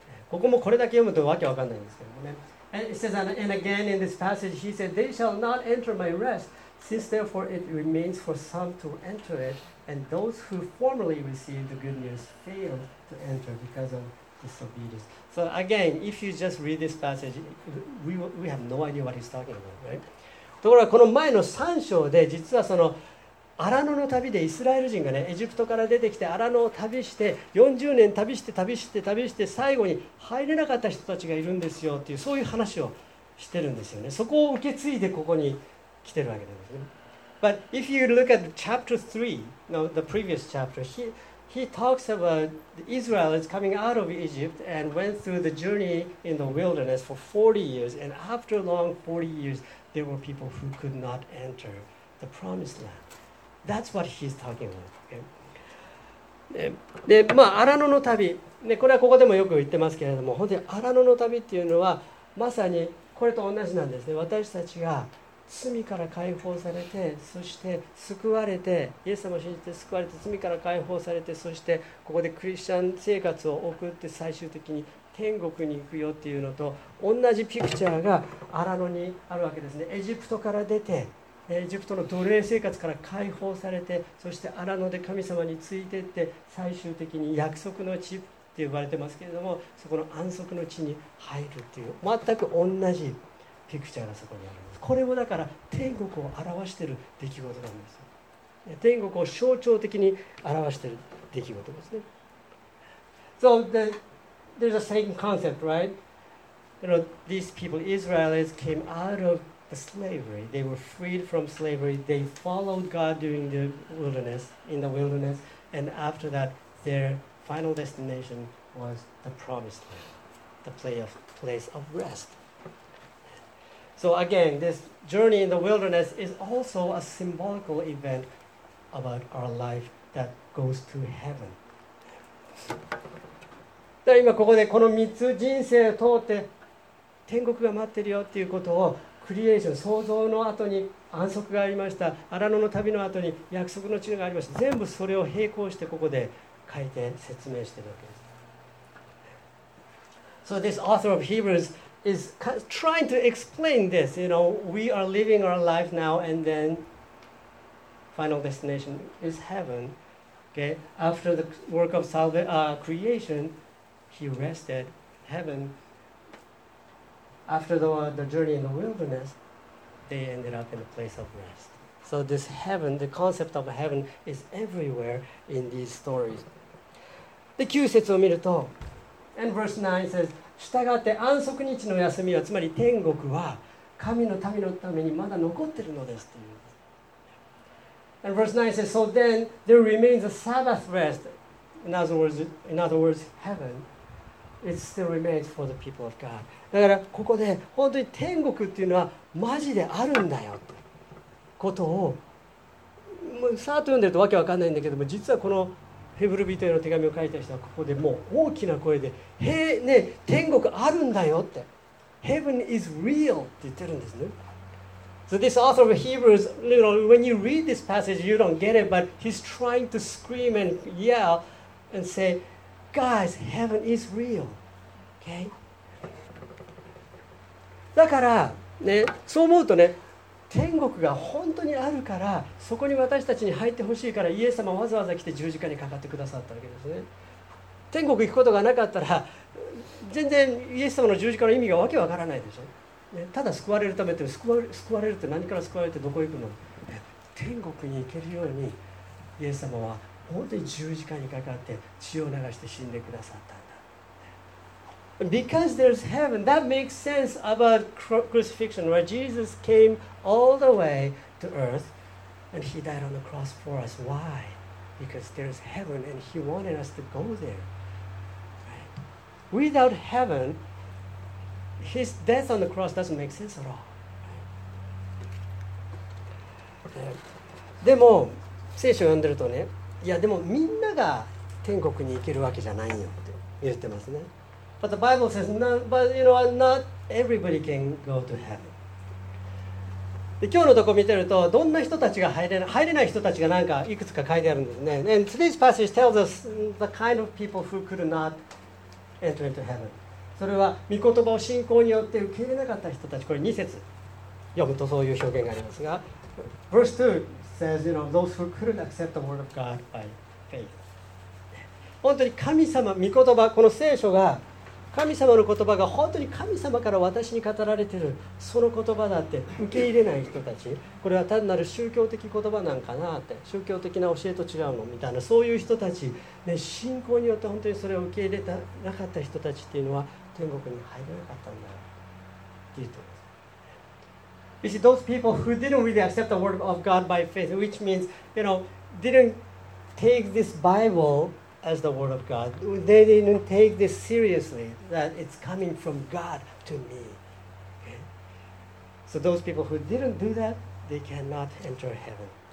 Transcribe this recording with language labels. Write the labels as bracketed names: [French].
[Japanese] ここもこれだけ読むとわけわかんないんですけどもね。 [English] And it says, and again in this passage, he said, they shall not enter my rest, since therefore it remains for some to enter it, and those who formerly received the good news failed to enter because of disobedience. So again, if you just read this passage, we have no idea what he's talking about, right? [Japanese] ところがこの前の3章で、実はそのアラノの旅でイスラエル人がね、エジプトから出てきてアラノを旅して40年旅して旅して旅して最後に入れなかった人たちがいるんですよっていう、そういう話をしてるんですよね。そこを受け継いでここに来てるわけなんですね。 [English] But if you look at chapter 3, no, the previous chapter, he talks about Israel is coming out of Egypt and went through the journey in the wilderness for 40 years and after long 40 years there were people who could not enter the promised landThat's what he's talking about.、Okay. [Japanese] で、まあ、アラノの旅、ね、これはここでもよく言ってますけれども、本当にアラノの旅っていうのは、まさにこれと同じなんですね。私たちが罪から解放されて、そして救われて、イエス様を信じて救われて、罪から解放されて、そしてここでクリスチャン生活を送って、最終的に天国に行くよっていうのと、同じピクチャーがアラノにあるわけですね。エジプトから出て、エジプトの奴隷生活から解放されて、そしてアラノで神様についていって、最終的に約束の地って呼ばれてますけれども、そこの安息の地に入るっていう、全く同じピクチャーがそこにあるんです。これもだから天国を表している出来事なんですよ。天国を象徴的に表している出来事ですね。 [English] So there's a same concept, right? You know, these people, Israelites, came out ofThe slavery. They were freed from slavery. They followed God during the wilderness, in the wilderness, and after that, their final destination was the promised land, the place of rest. So again, this journey in the wilderness is also a symbolical event about our life that goes to heaven. [Japanese] だから今ここでこの3つ人生を通って天国が待ってるよっていうことを、クリエーション、創造の後に安息がありました、アラノの旅の後に約束の地がありました、全部それを並行してここで書いて説明しているわけです。 [English] So this author of Hebrews is trying to explain this. You know, we are living our life now and then final destination is heaven. Okay, after the work of creation, he rested heaven. After the journey in the wilderness, they ended up in a place of rest. So this heaven, the concept of heaven is everywhere in these stories. [Japanese] で、9節を見ると、 [English] and verse 9 says、 [Japanese] したがって安息日の休みは、つまり天国は神の民のためにまだ残っているのですという。 [English] And verse 9 says, so then there remains a Sabbath rest. In other words, heaven, it still remains for the people of God. [Japanese] だからここで本当に天国っていうのはマジであるんだよってことをさーっと読んでるとわけわかんないんだけども、実はこのヘブル人への手紙を書いた人はここでもう大きな声で、へえ、ね、天国あるんだよって、 [English] Heaven is real [Japanese] って言ってるんですね。 [English] So this author of Hebrews, you know, when you read this passage, you don't get it, but he's trying to scream and yell and say, guys, heaven is real. Okay? [Japanese] だから、ね、そう思うとね、天国が本当にあるから、そこに私たちに入ってほしいから、イエス様わざわざ来て十字架にかかってくださったわけですね。天国行くことがなかったら、全然イエス様の十字架の意味がわけわからないでしょ。ただ救われるためって、救われるって何から救われてどこ行くの？天国に行けるようにイエス様は本当に十字架にかかって血を流して死んでくださったんだ。 [English] Because there's heaven, that makes sense about crucifixion, where Jesus came all the way to earth and he died on the cross for us. Why? Because there's heaven and he wanted us to go there. Without heaven,His death on the cross doesn't make sense at all. [Japanese] でも聖書を読んでるとね、いやでもみんなが天国に行けるわけじゃないよって言ってますね。 [English] But the Bible says, not everybody can go to heaven. [Japanese] で今日のとこ見てると、どんな人たちが入れない人たちがなんかいくつか書いてあるんですね。 [English] And today's passage tells us the kind of people who could not enter into heaven. [Japanese] それは御言葉を信仰によって受け入れなかった人たち。これ2節読むとそういう表現がありますが、 [English] Verse 2 says, you know, those who couldn't accept the word of God by faith. [Japanese] 本当に神様、御言葉、この聖書が、神様の言葉が本当に神様から私に語られている、その言葉だって受け入れない人たち、これは単なる宗教的言葉なんかなって、宗教的な教えと違うのみたいな、そういう人たち、ね、信仰によって本当にそれを受け入れたなかった人たちっていうのは天国に入れなかったんだって言うと思います。 [English] You see, those people who didn't really accept the word of God by faith, which means, you know, didn't take this Bible as the word of God, they didn't take this seriously, that it's coming from God to me. So those people who didn't do that, they cannot enter heaven.